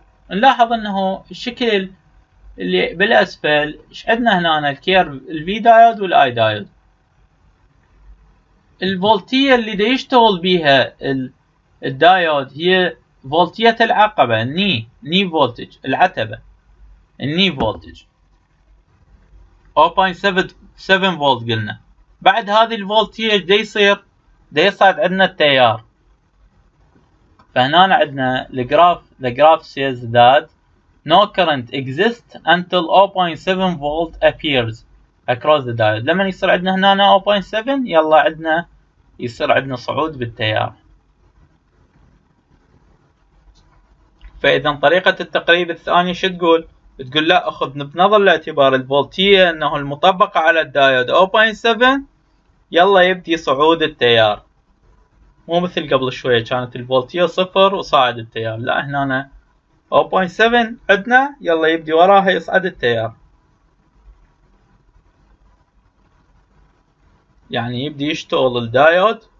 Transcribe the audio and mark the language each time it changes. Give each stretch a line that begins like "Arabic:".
Arabic: نلاحظ انه الشكل اللي بالأسفل ايش عندنا هنا؟ الكيرف الـ V دايود والـ I دايود، الفولتية اللي دا يشتغل بيها الدايود هي فولتية العقبة، ني فولتج العتبة، ني فولتج 0.77 فولت قلنا. بعد هذه الفولتية دي يصعد عندنا التيار، فهنا عندنا الجراف،
English: the graph says that no current exists until 0.7 volt appears across the diode.
Arabic: لما يصير عندنا هنا 0.7 يلا عندنا يصير عندنا صعود بالتيار. فاذا طريقة التقريب الثانية شو تقول؟ بتقول لا، اخذ بنظر الاعتبار الفولتية انه المطبقة على الدايود 0.7 يلا يبدي صعود التيار، مو مثل قبل شوية كانت الفولتية صفر وصاعد التيار، لا هنا 0.7 عندنا يلا يبدي وراها يصعد التيار، يعني يبدي يشتغل الدايود